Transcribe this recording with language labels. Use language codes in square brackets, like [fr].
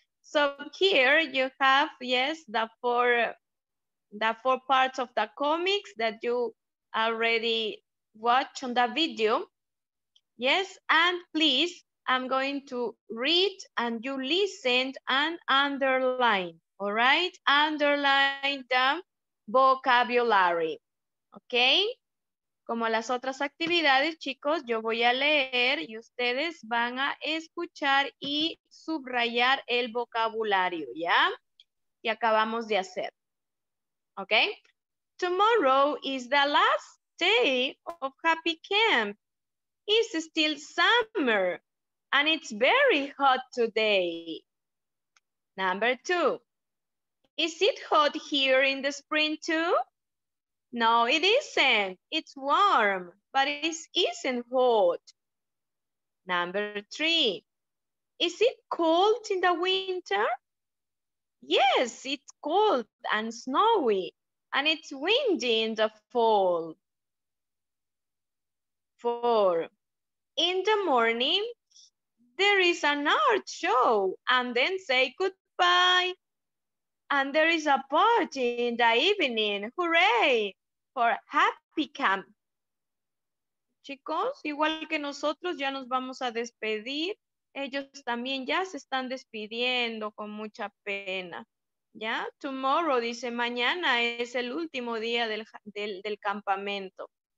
[en] So here you have, yes, the four parts of the comics that you already watched on the video. Yes, and please, I'm going to read and you listen and underline, all right? Underline the vocabulary, okay? [es] Como las otras actividades, chicos, yo voy a leer y ustedes van a escuchar y subrayar el vocabulario, ¿ya? Que acabamos de hacer. ¿Ok? [en] Tomorrow is the last day of Happy Camp. It's still summer and it's very hot today. Number two. Is it hot here in the spring too? No, it isn't. It's warm, but it isn't hot. Number three. Is it cold in the winter? Yes, it's cold and snowy, and it's windy in the fall. 4. In the morning, there is an art show, and then say goodbye. And there is a party in the evening. Hooray for Happy Camp. [es] Chicos, igual que nosotros, ya nos vamos a despedir. Ellos también ya se están despidiendo con mucha pena. ¿Ya? Tomorrow, dice, mañana es el último día del campamento.